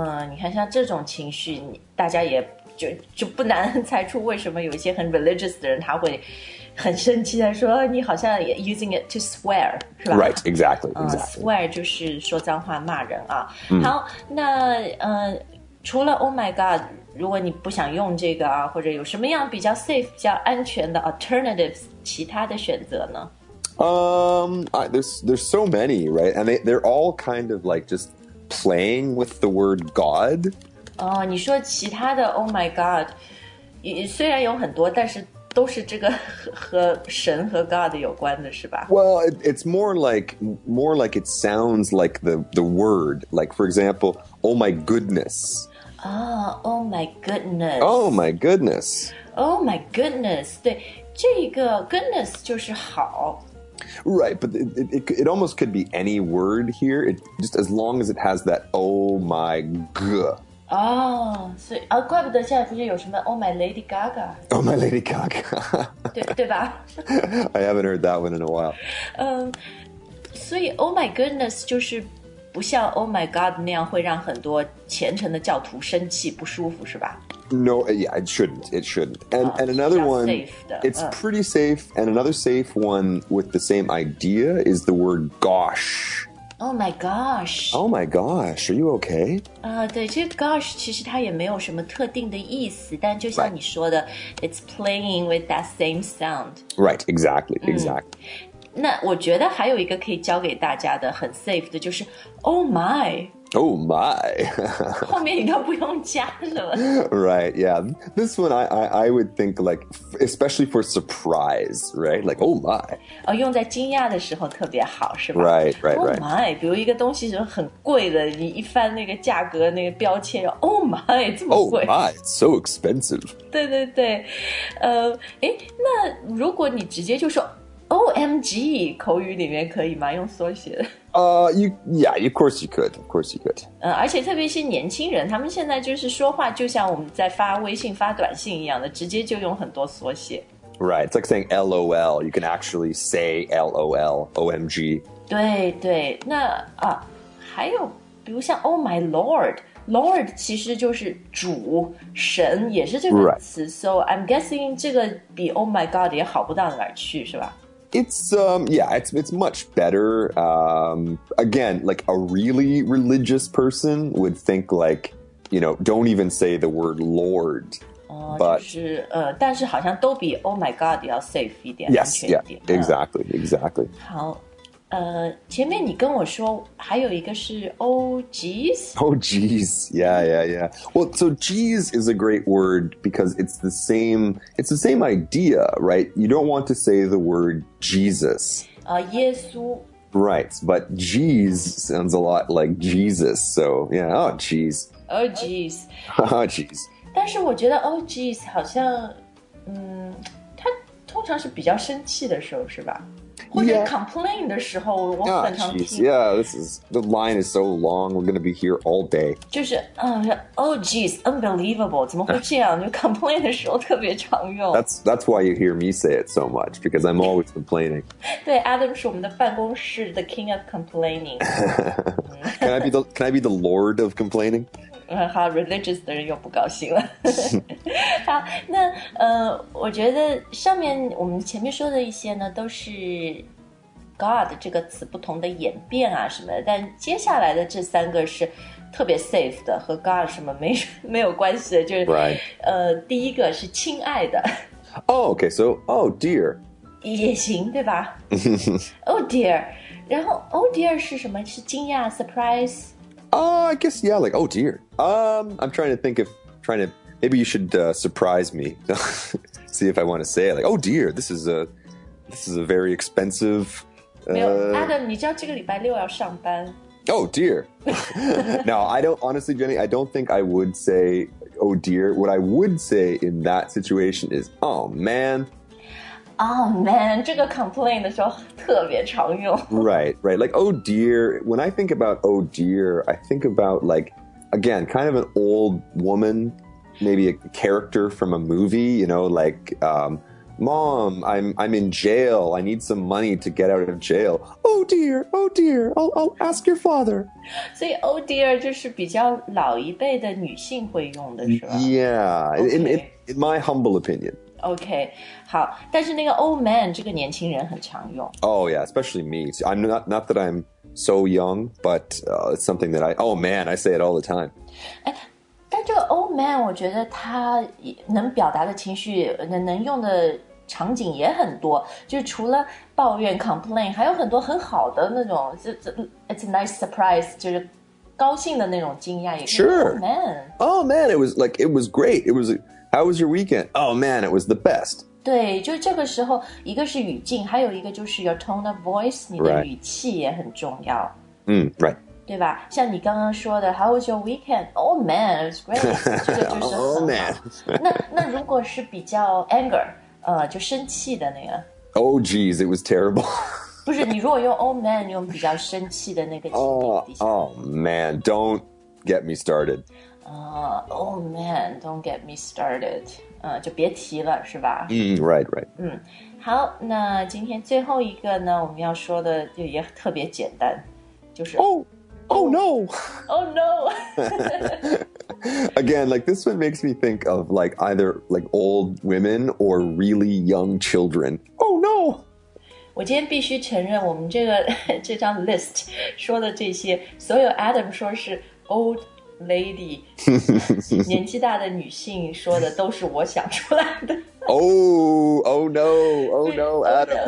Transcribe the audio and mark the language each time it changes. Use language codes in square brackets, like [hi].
[zh] 你看像这种情绪大家也就不难猜出为什么有一些很 religious 的人他会很生气的说你好像 [en] using it to swear, [zh] 是吧 [en] Right, exactly, exactly. [zh] Swear 就是说脏话骂人啊。 Mm. 好那、除了 oh my god, 如果你不想用这个啊或者有什么样比较 safe, 比较安全的 alternatives, 其他的选择呢 [en] there's so many, right? And they're all kind of like just playing with the word God. [zh] 你说其他的 [en] Oh my God, [zh] 虽然有很多，但是都是这个和神和 God 有关的是吧 [en] Well, it's more like it sounds like the word. Like, for example, oh my goodness. Oh, oh my goodness. Oh my goodness. Oh my goodness. [zh] 对，这个 goodness 就是好。 [en] Right, but it almost could be any word here. It, just as long as it has that oh my god. [zh] 哦，所以啊，怪不得现在不是有什么 [en] "Oh my Lady Gaga"， "Oh my Lady Gaga"， [zh] 对吧 [en] ？I haven't heard that one in a while. [zh] 所以 [en] "Oh my goodness" [zh] 就是不像 [en] "Oh my God" [zh] 那样会让很多虔诚的教徒生气不舒服，是吧 [en] ？No, yeah, it shouldn't. It shouldn't. And another one, it's pretty safe. And another safe one with the same idea is the word "gosh." Oh my gosh. Oh my gosh, are you okay? [zh] 对，这个 gosh 其实它也没有什么特定的意思，但就像你说的 [en] right. It's playing with that same sound. Right, exactly, exactly. [zh] 那我觉得还有一个可以教给大家的很 safe 的就是 [en] Oh my. Oh my. [zh] 后面应该不用加了。 [en] Right, yeah. This one I would think like, especially for surprise, right? Like, oh my. [zh] 用在惊讶的时候特别好是吧 [en] Right, right, oh right. Oh my, [zh] 比如一个东西很贵的你一翻那个价格那个标签 Oh my, 这么贵。 [en] Oh my, it's so expensive. [zh] 对对对。那如果你直接就说OMG, 口语里面可以吗？用缩写。 [en] Of course you could, of course you could. [zh] 而且特别是年轻人，他们现在就是说话就像我们在发微信、发短信一样的，直接就用很多缩写。 [en] Right, it's like saying LOL, you can actually say LOL, OMG. [zh] 对对，那啊，还有比如像 [en] Oh my Lord, [zh] Lord 其实就是主神，也是这个词。 [en] Right. So I'm guessing [zh] 这个比 [en] Oh my God [zh] 也好不到哪儿去，是吧？ [en] It's much better. Again, like a really religious person would think like, you know, don't even say the word Lord. But [zh] 但是好像都比 [en] Oh my God [zh] 要 safe 一点。 [en] Yes, yeah, exactly, exactly. [zh] 好，前面你跟我说还有一个是 [en] Oh geez. Oh geez, yeah. Well, so geez is a great word because it's the same idea, right? You don't want to say the word Jesus. Yesu. Right, but geez sounds a lot like Jesus, so yeah, oh geez. Oh geez. Oh geez. [zh] 但是我觉得 [en] oh geez [zh] 好像，它通常是比较生气的时候，是吧？或者 complain 的时候，我很常听。 [en] Yeah, this is the line is so long. We're gonna be here all day. [zh] 就是 [en] oh geez, unbelievable! [zh] 怎么会这样？就 complain 的时候特别常用。 [en] That's why you hear me say it so much because I'm always complaining. [zh] 对 ，Adam 是我们的办公室 [en] the king of complaining. Can I be the lord of complaining? [zh] 好 ，religious 的人又不高兴了。好，那我觉得上面我们前面说的一些呢，都是 God 这个词不同的演变啊什么的。但接下来的这三个是特别 safe 的，和 God 什么没有关系的，就是、 [en] right. [zh] 第一个是亲爱的。 [en] Oh, okay. So, oh dear. [zh] 也行，对吧？ [en] Oh dear. [zh] 然后 [en] oh dear [zh] 是什么？是惊讶 ，surprise。 [en] I guess, yeah, like, oh dear. I'm trying to think of, maybe you should surprise me. See if I want to say it. Like, oh dear, this is a very expensive. Adam, you know, this week I have to work. Oh dear. No, I don't, honestly, Jenny, I don't think I would say, oh dear. What I would say in that situation is, oh man. Oh man, [zh] 这个 complain 的时候特别常用。 [en] Right, right. Like, oh dear. When I think about oh dear, I think about like, again, kind of an old woman, maybe a character from a movie, you know, like, mom, I'm in jail. I need some money to get out of jail. Oh dear, oh dear. I'll ask your father. [zh] 所以 [en] oh dear [zh] 就是比较老一辈的女性会用的是吧 [en] Yeah,、 okay. in my humble opinion. [zh] OK, 好，但是那个 [en] old man [zh] 这个年轻人很常用。 [en] Oh yeah, especially me. I'm not that I'm so young, but it's something that I, oh man, I say it all the time. [zh] 但这个 [en] old man [zh] 我觉得他能表达的情绪能用的场景也很多，就是除了抱怨 complain, 还有很多很好的那种 [en] it's a nice surprise, [zh] 就是高兴的那种惊讶。 [en] Sure. Old man. Oh man, it was great. It was How was your weekend? Oh man, it was the best. [zh] 对，就这个时候，一个是语境，还有一个就是 [en] your tone of voice， [zh] 你的语气也很重要。 [en] 嗯 ，right。 [zh] 对吧？像你刚刚说的 ， [en] How was your weekend? Oh man, it was great. [zh] 这个就是很好。 [en] Oh man. [zh] 那如果是比较 anger， 就生气的那个。 [en] Oh geez, it was terrible. [zh] 不是，你如果用 [en] oh man， [zh] 用比较生气的那个情景。 [en] Oh man, don't get me started. Oh man, don't get me started. [zh] 就别提了，是吧？ [en] 嗯、right, right. [zh] 嗯，好，那今天最后一个呢，我们要说的就也特别简单，就是 [en] Oh no! Again, like this one makes me think of like either like old women or really young children. Oh no! [zh] 我今天必须承认，我们这个这张 list 说的这些，所有 Adam 说是 old lady， 年纪大的女性说的都是我想出来的。 [en] Oh no, Adam.